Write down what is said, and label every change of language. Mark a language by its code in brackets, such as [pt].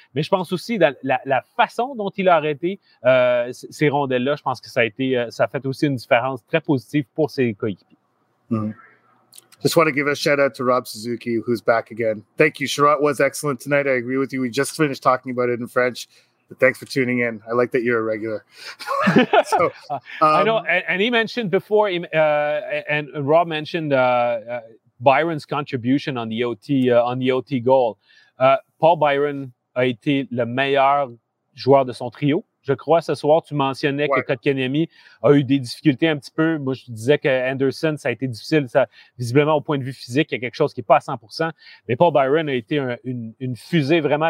[fr] Mais je pense aussi la façon dont il a arrêté ces rondelles-là, je pense que ça a fait aussi une différence très positive pour ses coéquipiers. [en] Just want to give a shout out to Rob Suzuki, who's back again. Thank you. Sherratt was excellent tonight. I agree with you. We just finished talking about it in French. Thanks for tuning in. I like that you're a regular. I know, and he mentioned before, and Rob mentioned Byron's contribution on the OT goal. [fr] Paul Byron a été le meilleur joueur de son trio, je crois, ce soir. Tu mentionnais que Kotkaniemi a eu des difficultés un petit peu. Moi, je disais que Anderson, ça a été difficile. Ça, visiblement, au point de vue physique, il y a quelque chose qui n'est pas à 100%. Mais Paul Byron a été une fusée, vraiment.